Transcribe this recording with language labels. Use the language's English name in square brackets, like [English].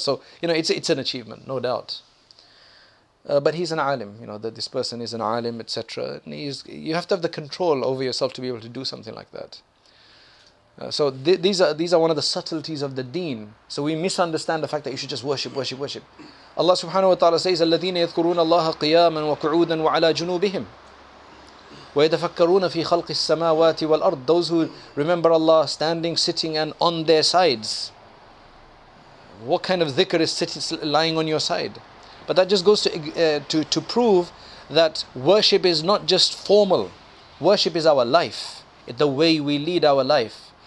[English] So, you know, it's an achievement, no doubt. But he's an alim, you know, that this person is an alim, etc. And you have to have the control over yourself to be able to do something like that. So these are one of the subtleties of the deen. So we misunderstand the fact that you should just worship. Allah subhanahu wa ta'ala says, [Arabic] الَّذِينَ يَذْكُرُونَ اللَّهَ قِيَامًا وَقُعُودًا وَعَلَى جُنُوبِهِمْ وَيَتَفَكَّرُونَ فِي خَلْقِ السَّمَاوَاتِ وَالْأَرْضِ. [English] Those who remember Allah standing, sitting and on their sides. What kind of dhikr is sitting, lying on your side? But that just goes to prove that worship is not just formal. Worship is our life, the way we lead our life.